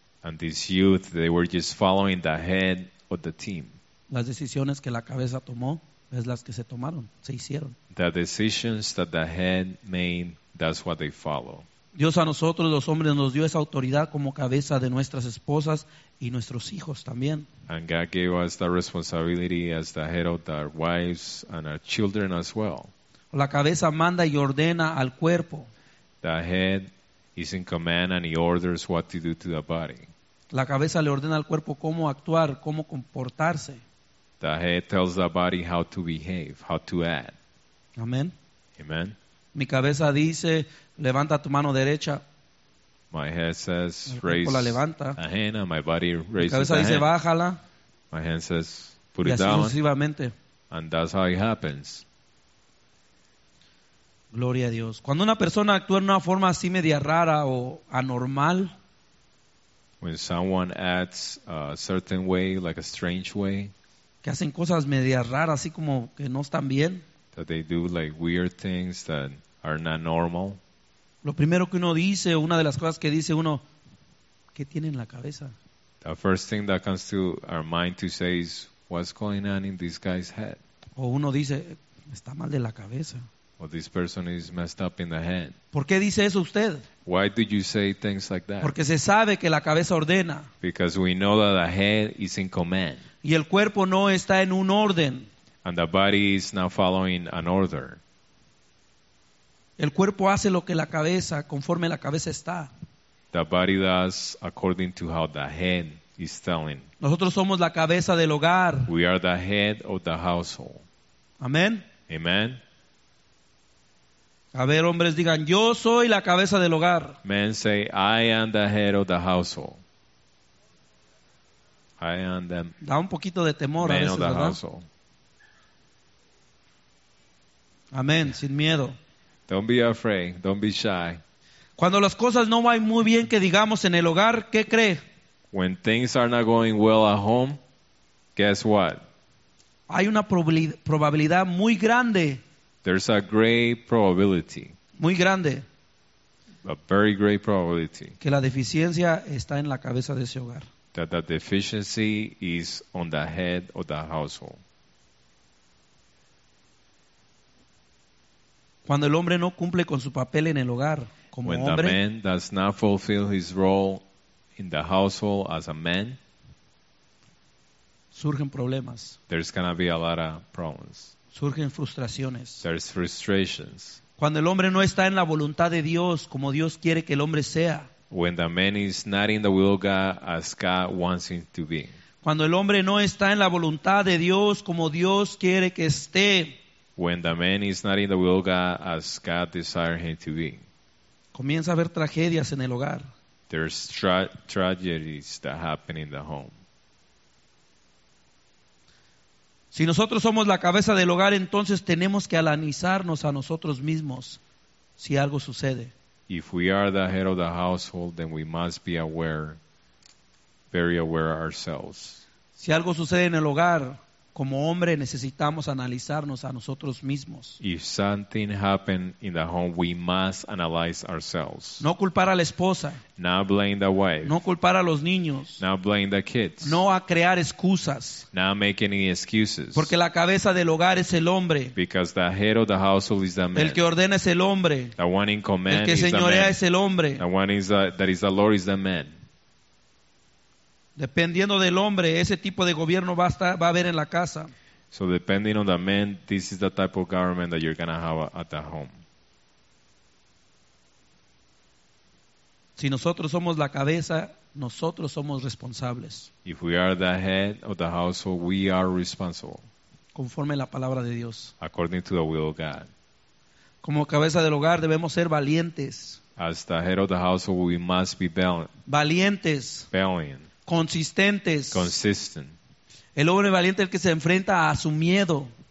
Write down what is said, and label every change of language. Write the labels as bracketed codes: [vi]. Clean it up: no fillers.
[en] And these youth, they were just following the head of the team. [es] Las decisiones que la cabeza tomó es las que se tomaron, se hicieron. [en] The decisions that the head made, that's what they follow. [es] Dios a nosotros, los hombres, nos dio esa autoridad como cabeza de nuestras esposas y nuestros hijos también. [en] And God gave us that responsibility as the head of our wives and our children as well. [es] La cabeza manda y ordena al cuerpo. [en] The head is in command and he orders what to do to the body. [es] La cabeza le ordena al cuerpo cómo actuar, cómo comportarse. [en] The head tells the body how to behave, how to act. [es] Amen. [en] Amen. [es] Mi cabeza dice, levanta tu mano derecha. [en] My head says, raise [es] la levanta. [en] A hand, and my body raises. [es] Mi cabeza dice, bájala. [en] My hand says, put [es] y [en] it down. [es] Y así sucesivamente. [en] And that's how it happens. [es] Gloria a Dios. Cuando una persona actúa en una forma así media rara o anormal. [en] When someone acts a certain way, like a strange way. [es] Que hacen cosas media raras, así como que no están bien. [en] That they do like weird things that are not normal. [es] Lo primero que uno dice, una de las cosas que dice uno, ¿qué tiene en la cabeza? [en] The first thing that comes to our mind to say is, what's going on in this guy's head? [es] O uno dice, está mal de la cabeza. [en] Or this person is messed up in the head. [es] ¿Por qué dice eso usted? [en] Why do you say things like that? [es] Porque se sabe que la cabeza ordena. [en] Because we know that the head is in command. [es] Y el cuerpo no está en un orden. [en] And the body is not following an order. [es] El cuerpo hace lo que la cabeza, conforme la cabeza está. [en] The body does according to how the head is telling. [es] Nosotros somos la cabeza del hogar. [en] We are the head of the household. [es] Amen. [en] Amen. [es] A ver, hombres, digan, yo soy la cabeza del hogar. [en] Men say, I am the head of the household. I am the [es] da un poquito de temor [en] man [es] a veces, [en] of the [es] ¿verdad? [en] Household. [es] Amen. Sin miedo. [en] Don't be afraid. Don't be shy. [es] Cuando las cosas no van muy bien que digamos en el hogar, ¿qué cree? [en] When things are not going well at home, guess what? [es] Hay una probabilidad muy grande. [en] There's a great probability. [es] Muy grande. [en] A very great probability. [es] Que la deficiencia está en la cabeza de ese hogar. [en] That the deficiency is on the head of the household. [es] Cuando el hombre no cumple con su papel en el hogar como [en] when [es] hombre, [en] the man does not fulfill his role in the household as a man, [es] surgen problemas. [en] There's gonna be a lot of problems. [es] Surgen frustraciones. [en] There's frustrations. [es] Cuando el hombre no está en la voluntad de Dios como Dios quiere que el hombre sea, [en] when the man is not in the will of God as God wants him to be. [es] Cuando el hombre no está en la voluntad de Dios como Dios quiere que esté. [en] When the man is not in the will of God as God desires him to be. [es] Comienza a haber tragedias en el hogar. [en] There's tragedies that happen in the home. [es] Si nosotros somos la cabeza del hogar, entonces tenemos que alanizarnos a nosotros mismos si algo sucede. [en] If we are the head of the household, then we must be aware, very aware of ourselves. [es] Si algo sucede en el hogar, como hombre necesitamos analizarnos a nosotros mismos. [en] If something happened in the home, we must analyze ourselves. [es] No culpar a la esposa. [en] Not blame the wife. [es] No culpar a los niños. [en] Not blame the kids. [es] No a crear excusas. [en] Not make any excuses. [es] Porque la cabeza del hogar es el hombre. [en] Because the head of the household is the man. [es] El que ordena es el hombre. [en] The one in command. [es] El que señorea es el hombre. [en] The one is that is the Lord is the man. [es] Dependiendo del hombre, ese tipo de gobierno va a haber en la casa. [en] So depending on the man, this is the type of government that you're going to have at the home. [es] Si nosotros somos la cabeza, nosotros somos responsables. [en] If we are the head of the household, we are responsible. [es] Conforme a la palabra de Dios. [en] According to the will of God. [es] Como cabeza del hogar, debemos ser valientes. [en] As the head of the household, we must be [es] valientes. [en] Valiant. [es] Consistentes. [en] Consistent. [es] El hombre valiente es el que se enfrenta a su miedo.